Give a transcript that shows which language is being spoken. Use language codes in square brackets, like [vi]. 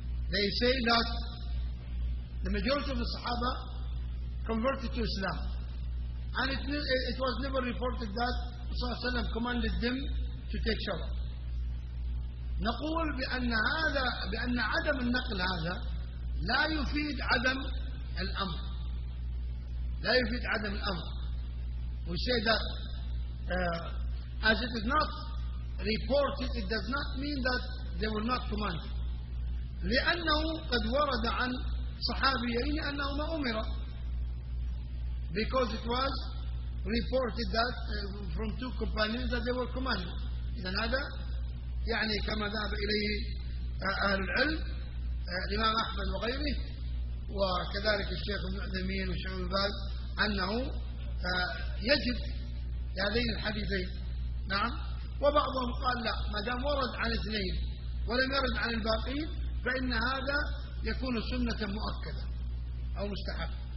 [en] They say that the majority of the الصحابة converted to Islam and it was never reported that صلى الله عليه وسلم commanded them to take shower. [ar] نقول بأن هذا بأن عدم النقل هذا لا يفيد عدم الأمر, لا يفيد عدم الأمر. [en] We say that as it is not reported, it does not mean that they were not commanded. [ar] لأنه قد ورد عن صحابيين أنه ما أمر, [en] because it was reported that from two companions that they were commanded. [ar] إذن هذا يعني كما ذهب إليه أهل العلم الإمام أحمد وغيره وكذلك الشيخ ابن عثيمين وشيخ ابن باز أنه يجب هذين الحديثين. نعم, وبعضهم قال لا, ما دام ورد عن اثنين ولم يرد عن الباقين فإن هذا يكون سنة مؤكدة أو مستحب.